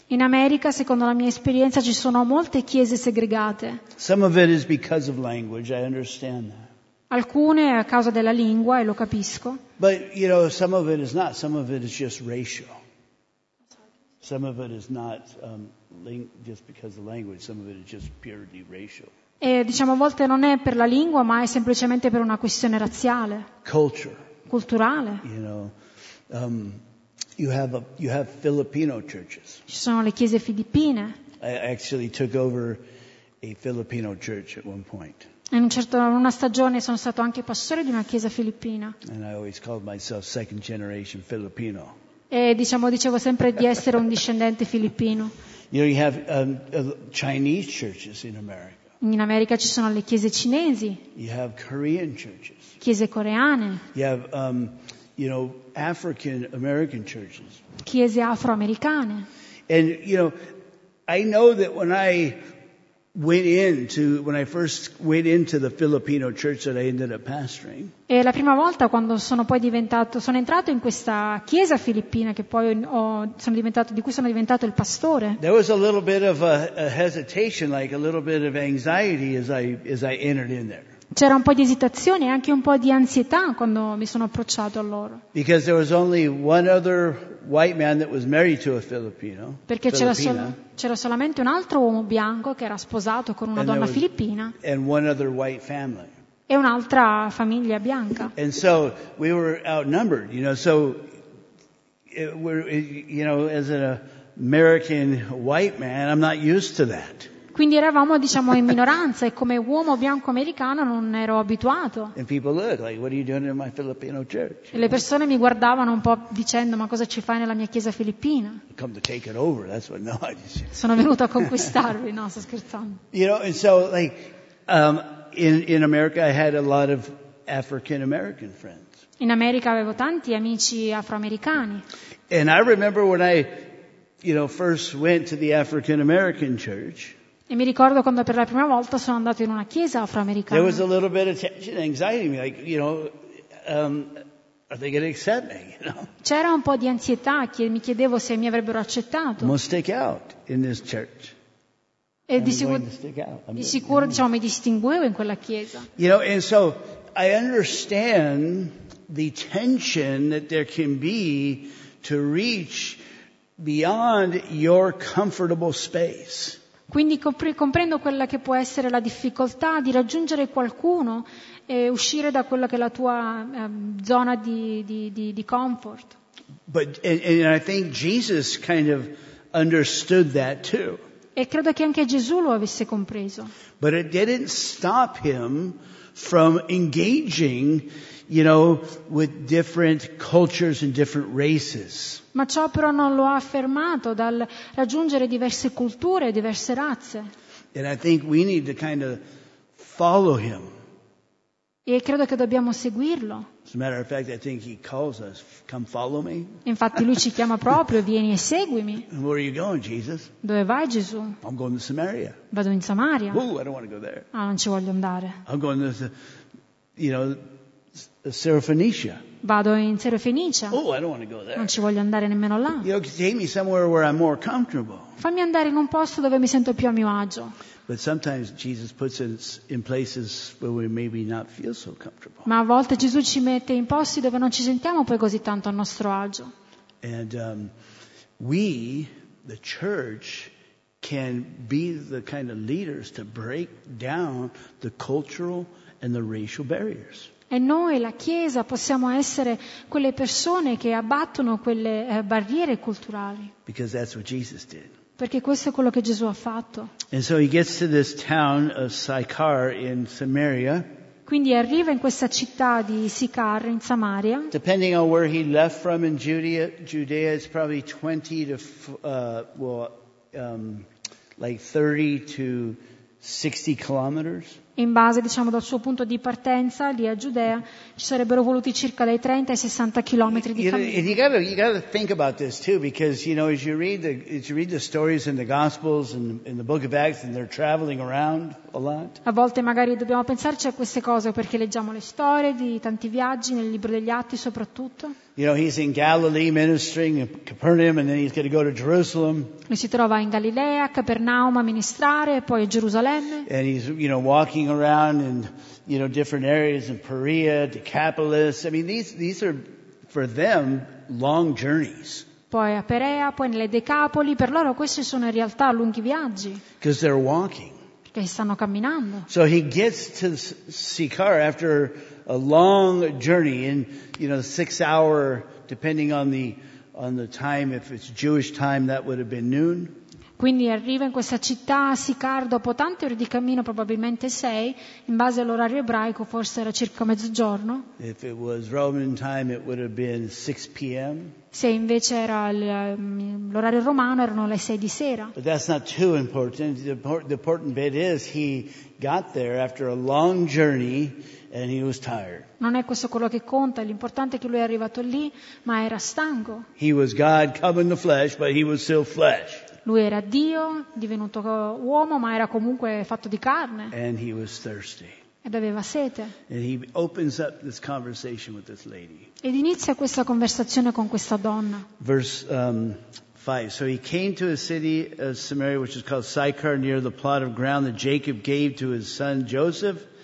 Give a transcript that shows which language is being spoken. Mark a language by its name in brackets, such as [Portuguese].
[Italian] In America, secondo la mia esperienza, ci sono molte chiese segregate. [English] Some of it is because of language, I understand that. [Italian] Alcune a causa della lingua, e lo capisco. [English] But, you know, some of it is not. Some of it is just racial. Some of it is not just because of language. Some of it is just purely racial. [Italian] E, diciamo, a volte non è per la lingua, ma è semplicemente per una questione razziale. [English] Culture. [Italian] Culturale. [English] You know, you have Filipino churches. [Italian] Ci sono le chiese filippine. [English] I actually took over a Filipino church at one point. [Italian] In una stagione sono stato anche pastore di una chiesa filippina. [English] And I always called myself second generation Filipino. [Italian] E diciamo, dicevo sempre di essere un discendente filippino. [English] You know, you have Chinese churches in America. [Italian] In America ci sono le chiese cinesi. [English] You have Korean churches. [Italian] Chiese coreane. [English] You have you know, African American churches. [Italian] Chiese afroamericane. [English] And you know, I know that when I went into, when I first went into the Filipino church that I ended up pastoring. [Italian] E la prima volta quando sono poi diventato, sono entrato in questa chiesa filippina che poi ho, sono diventato, di cui sono diventato il pastore. [English] There was a little bit of a hesitation, like a little bit of anxiety as I entered in there. [Italian] C'era un po' di esitazione e anche un po' di ansietà quando mi sono approcciato a loro. [English] Because there was only one other white man that was married to a Filipino. [Italian] Perché c'era solamente un altro uomo bianco che era sposato con una donna filippina. [English] And one other white family. [Italian] E un'altra famiglia bianca. [English] And so we were outnumbered, you know. So we're, you know, as an American white man, I'm not used to that. [Italian] Quindi eravamo, diciamo, in minoranza e come uomo bianco americano non ero abituato. [English] And people look like, what are you doing in my Filipino church? [Italian] E le persone mi guardavano un po' dicendo, ma cosa ci fai nella mia chiesa filippina? [English] Come to take it over, that's what, no, I just... [Italian] Sono venuto a conquistarvi, no, sto scherzando. [English] You know, and so, like, in America I had a lot of African American friends. [Italian] In America avevo tanti amici afroamericani. [English] And I remember when I, you know, first went to the African American church. [Italian] E mi ricordo quando per la prima volta sono andato in una chiesa afroamericana. [English] There was a little bit of tension, anxiety, like, you know, are they going to accept me, you know? [Italian] C'era un po' di ansietà, mi chiedevo se mi avrebbero accettato. [English] I'm going to stick out in this church. [Italian] E di sicuro, diciamo, mi distinguevo in quella chiesa. [English] You know, and so I understand the tension that there can be to reach beyond your comfortable space. [Italian] Quindi comprendo quella che può essere la difficoltà di raggiungere qualcuno e uscire da quella che è la tua zona di comfort. [English] But, and I think Jesus kind of understood that too. [Italian] E credo che anche Gesù lo avesse compreso. [English] But it didn't stop him from engaging, you know, with different cultures and different races. [Italian] Ma ciò però non lo ha fermato dal raggiungere diverse culture, diverse razze. [English] And I think we need to kind of follow him. [Italian] E credo che dobbiamo seguirlo. [English] As a matter of fact, I think he calls us, come follow me. [Italian] Infatti lui ci chiama proprio, vieni e seguimi. [English] Where are you going, Jesus? [Italian] Dove vai, Gesù? [English] I'm going to Samaria. [Italian] Vado in Samaria. [English] Ooh, I don't want to go there. [Italian] Ah, non ci voglio andare. [English] I'm going to, you know, Syrophoenicia. [Italian] Vado in Syrophoenicia. [English] Ooh, I don't want to go there. [Italian] Non ci voglio andare nemmeno là. [English] You know, take me somewhere where I'm more comfortable. [Italian] Fammi andare in un posto dove mi sento più a mio agio. [English] But sometimes Jesus puts us in places where we maybe not feel so comfortable. [Italian] Ma a volte Gesù ci mette in posti dove non ci sentiamo poi così tanto a nostro agio. [English] And we, the church, can be the kind of leaders to break down the cultural and the racial barriers. [Italian] E noi, la Chiesa, possiamo essere quelle persone che abbattono quelle barriere culturali. [English] Because that's what Jesus did. [Italian] Perché questo è quello che Gesù ha fatto. [English] And so he gets to this town of Sychar in Samaria. [Italian] Quindi arriva in questa città di Sychar in Samaria. [English] Depending on where he left from in Judea, it's probably 20 to, like 30 to 60 kilometers. [Italian] In base, diciamo, dal suo punto di partenza lì a Giudea, ci sarebbero voluti circa dai 30 ai 60 chilometri di cammino. [English] You gotta think about this too, because you know, as you read the stories in the Gospels and in the Book of Acts, and they're traveling around a lot. [Italian] A volte magari dobbiamo pensarci a queste cose perché leggiamo le storie di tanti viaggi nel libro degli Atti soprattutto. [English] You know, he's in Galilee ministering in Capernaum, and then he's going to go to Jerusalem. [Italian] Lui si trova in Galilea, Capernaum, a ministrare, e poi a Gerusalemme. [English] And he's, you know, walking around in, you know, different areas in Perea, Decapolis. I mean, these are for them long journeys. [Italian] Poi a Perea, poi nelle Decapoli. Per loro questi sono in realtà lunghi viaggi. [English] Because they're walking. [Italian] Perché stanno camminando. [English] So he gets to Sychar after a long journey, in, you know, 6 hours, depending on the time. If it's Jewish time, that would have been noon. [Italian] Quindi arriva in questa città Sychar dopo tante ore di cammino, probabilmente 6, in base all'orario ebraico forse era circa mezzogiorno. [English] If it was Roman time, it would have been 6 p.m. [Italian] Se invece era l'orario romano, erano le 6 di sera. [English] But that's not too important. The important bit is he got there after a long journey and he was tired. [Italian] Non è questo quello che conta, l'importante è che lui è arrivato lì, ma era stanco. [English] He was God come in the flesh, but he was still flesh. [Italian] Lui era Dio, divenuto uomo, ma era comunque fatto di carne. [English] And he was thirsty. [Italian] Ed aveva sete. [English] And he opens up this conversation with this lady. [Italian] Ed inizia questa conversazione con questa donna. [English] Verse 5. So he came to a city of Samaria, which is called Sychar, near the plot of ground that Jacob gave to his son Joseph.